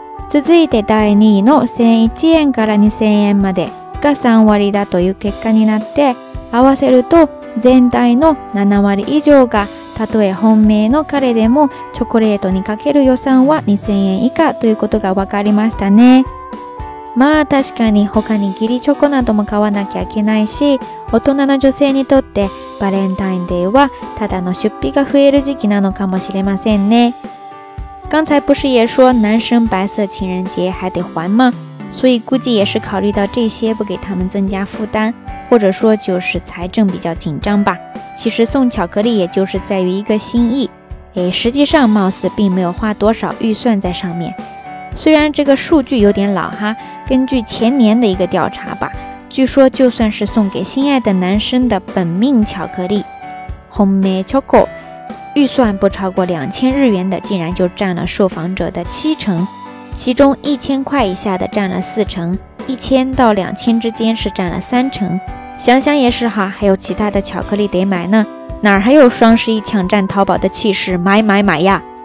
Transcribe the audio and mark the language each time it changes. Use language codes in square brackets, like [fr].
[ja] 続いて第2位の1001円から2000円までが3割だという結果になって、合わせると全体の7割以上がたとえ本命の彼でもチョコレートにかける予算は2000円以下ということが分かりましたね。まあ確かに他にギリチョコなども買わなきゃいけないし、大人の女性にとってバレンタインデーはただの出費が増える時期なのかもしれませんね。 [zh] 刚才不是也说男生白色情人节还得还吗？所以估计也是考虑到这些不给他们增加负担，或者说就是财政比较紧张吧。其实送巧克力也就是在于一个心意，诶，实际上貌似并没有花多少预算在上面。虽然这个数据有点老哈，根据前年的一个调查吧，据说就算是送给心爱的男生的本命巧克力 Homemade Choco， 预算不超过2000日元的竟然就占了受访者的70%，其中1000块以下的占了40%，1000到2000之间是占了30%。想想也是哈，还有其他的巧克力得买呢，哪还有双十一抢占淘宝的气势，买买买呀。